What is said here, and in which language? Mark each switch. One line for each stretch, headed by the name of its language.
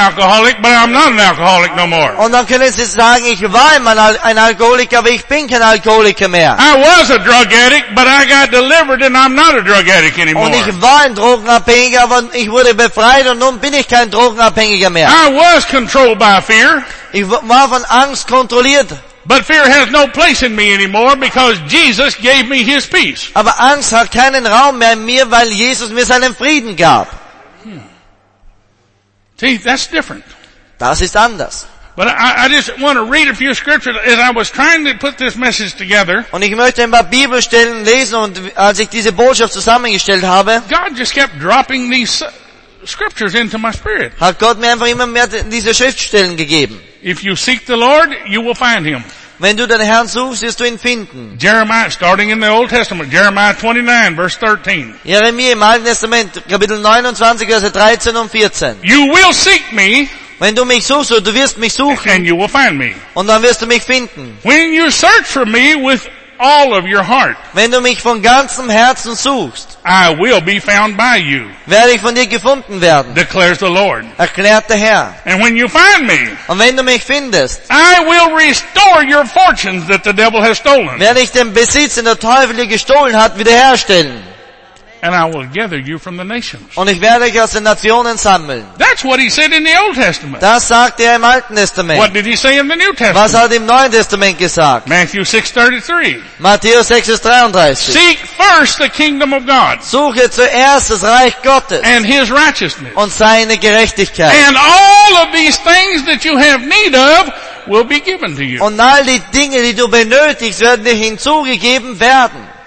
German: Und dann können sie sagen, ich war immer ein Alkoholiker, aber ich bin kein Alkoholiker mehr. Und ich war ein Drogenabhängiger, aber ich wurde befreit und nun bin ich kein Drogenabhängiger mehr.
English: I was controlled by fear.
German: Ich war von Angst kontrolliert.
English: But fear has no place in me anymore because Jesus gave me his peace.
German: Aber Angst hat keinen Raum mehr in mir, weil Jesus mir seinen Frieden gab.
English: See, that's different.
German: Das ist anders.
English: But I just want to read a few scriptures as I was trying to put this message together.
German: Und ich möchte ein paar Bibelstellen lesen und als ich diese Botschaft zusammengestellt habe.
English: God just kept dropping these scriptures into my spirit.
German: Hat Gott mir einfach immer mehr diese Schriftstellen gegeben.
English: If you seek the Lord, you will find him.
German: Wenn du den Herrn suchst, wirst du ihn finden.
English: Jeremiah, starting in the Old Testament, Jeremiah 29, verse 13.
German: Jeremiah im Alten Testament, Kapitel 29, Verse 13 und 14.
English: You will seek me.
German: Wenn du mich suchst, du wirst mich suchen.
English: And you will find me.
German: Und dann wirst du mich finden.
English: When you search for me with all of your heart.
German: Wenn du mich von ganzem Herzen suchst.
English: I will be found by you.
German: Werde ich von dir gefunden werden.
English: Declares the Lord.
German: Erklärt der Herr.
English: And when you find me.
German: Und wenn du mich findest.
English: I will restore your fortunes that the devil has stolen.
German: Werde ich den Besitz, den der Teufel dir gestohlen hat, wiederherstellen.
English: And I will gather you from the nations.
German: Und ich werde dich aus den Nationen sammeln.
English: That's what he said in the Old Testament.
German: Das sagte im Alten Testament.
English: What did he say in the New Testament?
German: Was hat im Neuen Testament gesagt?
English: Matthew 6:33.
German: Matthäus 6:33.
English: Seek first the kingdom of God.
German: Suche zuerst das Reich Gottes.
English: And his righteousness.
German: Und seine Gerechtigkeit.
English: And all of these things that you have need of will be given to you.
German: Und all die Dinge, die du benötigst, werden dir hinzugegeben werden.